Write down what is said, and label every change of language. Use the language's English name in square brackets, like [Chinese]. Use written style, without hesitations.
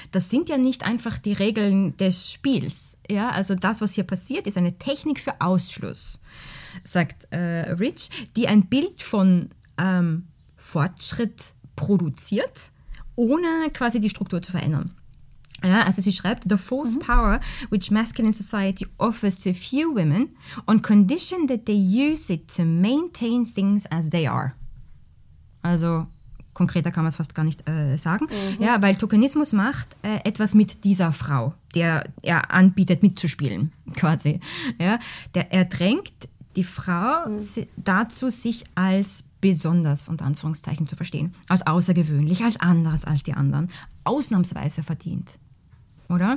[German] Das sind ja nicht einfach die Regeln des Spiels. Ja, also das, was hier passiert, ist eine Technik für Ausschluss, sagt Rich, die ein Bild von Fortschritt produziert, ohne quasi die Struktur zu verändern. Ja, also sie schreibt, [English] the false power which masculine society offers to a few women on condition that they use it to maintain things as they are. [German] Also konkreter kann man es fast gar nicht sagen, ja, weil Tokenismus macht etwas mit dieser Frau, der er anbietet mitzuspielen, quasi. Ja, er drängt die Frau dazu, sich als besonders, unter Anführungszeichen, zu verstehen, als außergewöhnlich, als anders als die anderen, ausnahmsweise verdient, oder?